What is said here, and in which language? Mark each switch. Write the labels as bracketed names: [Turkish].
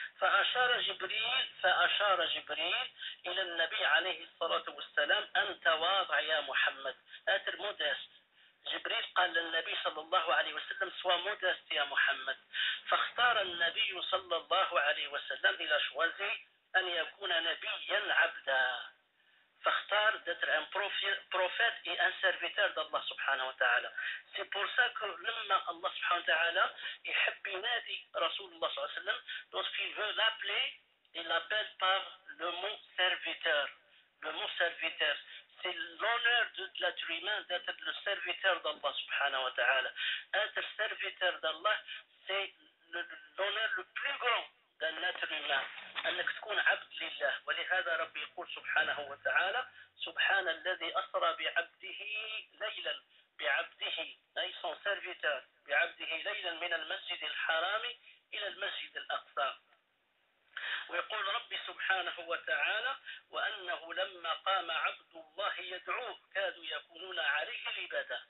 [Arabic] فأشار جبريل إلى النبي عليه الصلاة والسلام أن تواضع يا محمد، [French] أتر مودست. [Arabic] جبريل قال للنبي صلى الله عليه وسلم [French] سوا مودست [Arabic] يا محمد. فاختار النبي صلى الله عليه وسلم إلى [French] شوازي [Arabic] أن يكون نبيا عبدا. فاختار [French] d'être un prophète et un serviteur d'Allah subhanahu wa ta'ala. C'est pour ça que lorsque Allah subhanahu wa ta'ala [Arabic] يحب ينادي رسول الله صلى الله عليه وسلم، [French] lorsqu'il veut l'appeler, il l'appelle par le mot serviteur. Le mot serviteur, c'est l'honneur de l'être humain d'être le serviteur d'Allah subhanahu wa ta'ala. Être serviteur d'Allah, c'est l'honneur le plus grand d'un être humain. [Arabic] أنك تكون عبد لله. ولهذا ربي يقول سبحانه وتعالى سبحان الذي أسرى بعبده ليلا، بعبده أي [French] son serviteur، [Arabic] بعبده ليلا من المسجد الحرام إلى المسجد الأقصى. ويقول ربي سبحانه وتعالى وأنه لما قام عبد الله يدعوه كادوا يكونون عليه لبدا.